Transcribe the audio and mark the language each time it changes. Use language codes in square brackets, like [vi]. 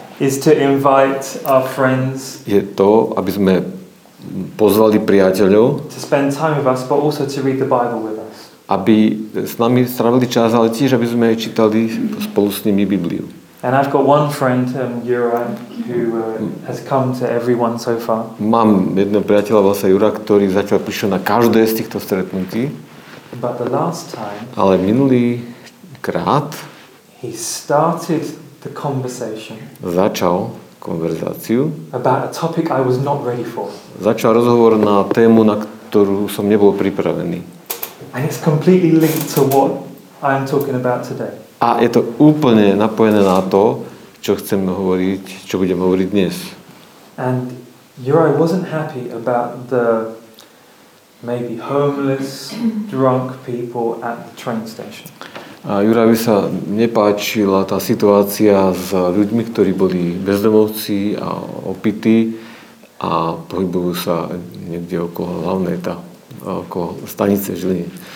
[en] is to invite our friends. [sk] Je to, aby sme pozvali priateľov. [en] To spend time with us, but also to read the Bible with us. [sk] Aby s nami strávili čas, ale tiež aby sme čítali spolu s nimi Bibliu. [en] And I've got one friend, Jura, who has come to everyone so far. [sk] Mám jedného priateľa, volá sa Jura, ktorý zatiaľ prišiel na každé z týchto stretnutí. [en] But the last time. [sk] Ale minulý krát. [en] He started the conversation. [sk] Začal konverzáciu. [en] About a topic I was not ready for. [sk] Začal rozhovor na tému, na ktorú som nebol pripravený. [en] And it's completely linked to what I'm talking about today. [sk] A je to úplne napojené na to, čo chcem hovoriť, čo budem hovoriť dnes. [en] And Juraj wasn't happy about the maybe homeless, drunk people at the train station. [sk] A Jurajovi sa nepáčila tá situácia s ľuďmi, ktorí boli bezdomovci a opití a pohybujú sa niekde okolo hlavnej tá, okolo stanice Žiliny.